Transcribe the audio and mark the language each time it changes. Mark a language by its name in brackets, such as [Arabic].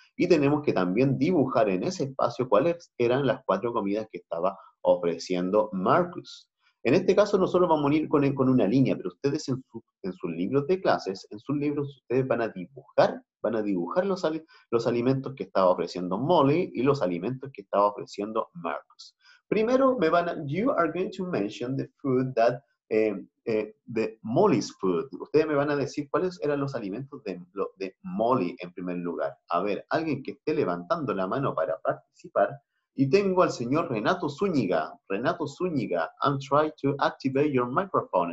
[Spanish] Y tenemos que también dibujar en ese espacio cuáles eran las cuatro comidas que estaba ofreciendo Marcus. En este caso nosotros vamos a unir con una línea, pero ustedes en sus libros de clases, en sus libros ustedes van a dibujar los alimentos que estaba ofreciendo Molly y los alimentos que estaba ofreciendo Marcus. Primero me van a, [English] you are going to mention the food that, the Molly's food. [Spanish] Ustedes me van a decir cuáles eran los alimentos de Molly en primer lugar. A ver, alguien que esté levantando la mano para participar. Y tengo al señor Renato Zúñiga. [English] Renato Zúñiga, I'm trying to activate your microphone.